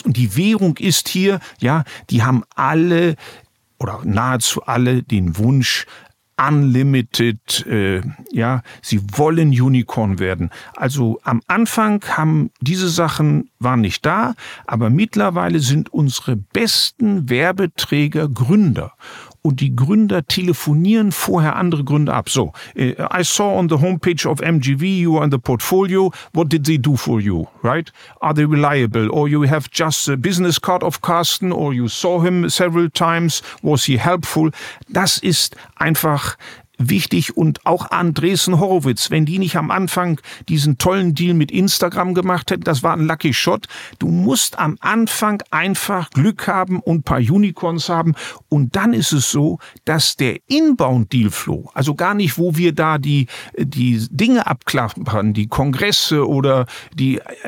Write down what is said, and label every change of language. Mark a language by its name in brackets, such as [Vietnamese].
[German] Und die Währung ist hier, ja, die haben alle oder nahezu alle den Wunsch, unlimited, sie wollen Unicorn werden. Also am Anfang haben diese Sachen, waren nicht da, aber mittlerweile sind unsere besten Werbeträger Gründer. Und die Gründer telefonieren vorher andere Gründer ab. [English] So, I saw on the homepage of MGV, you are in the portfolio. What did they do for you, right? Are they reliable? Or you have just a business card of Carsten, or you saw him several times. Was he helpful? [German] Das ist einfach wichtig. Und auch Andreessen Horowitz, wenn die nicht am Anfang diesen tollen Deal mit Instagram gemacht hätten, das war ein Lucky Shot. Du musst am Anfang einfach Glück haben und ein paar Unicorns haben. Und dann ist es so, dass der Inbound-Deal-Flow, also gar nicht, wo wir da die Dinge abklappern, die Kongresse oder die